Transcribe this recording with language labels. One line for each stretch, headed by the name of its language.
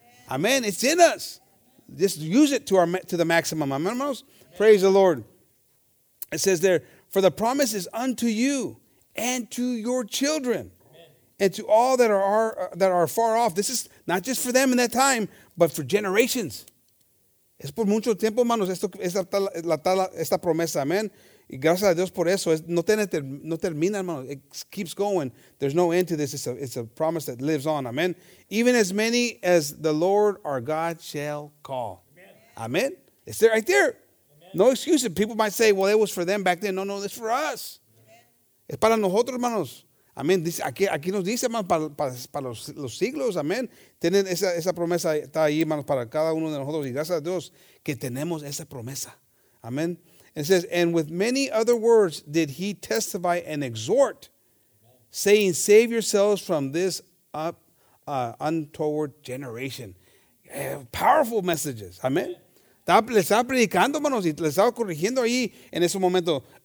English: Amen. It's in us. Just use it to the maximum. Amen. Amen. Praise the Lord. It says there, "For the promise is unto you and to your children." Amen. "And to all that are far off." This is not just for them in that time, but for generations.
Spanish: Es por mucho tiempo, hermanos, esta promesa, amen. Y gracias a Dios por eso. No termina, hermanos.
English: It keeps going. There's no end to this. It's a promise that lives on, amen. "Even as many as the Lord our God shall call." Amen. It's there, right there. No excuses. People might say, well, it was for them back then. No, it's for us.
Spanish: Es para nosotros, hermanos.
English: Amen.
Spanish: Aquí nos dice, hermanos, para los siglos. Amen. Tienen esa promesa, está ahí, hermanos, para cada uno de nosotros. Y gracias a Dios que tenemos esa promesa. Amen.
English: It says, "And with many other words did he testify and exhort, saying, save yourselves from this untoward generation." powerful messages. Amen.
Spanish: Le estaba predicando, hermanos, y le estaba corrigiendo ahí en ese momento.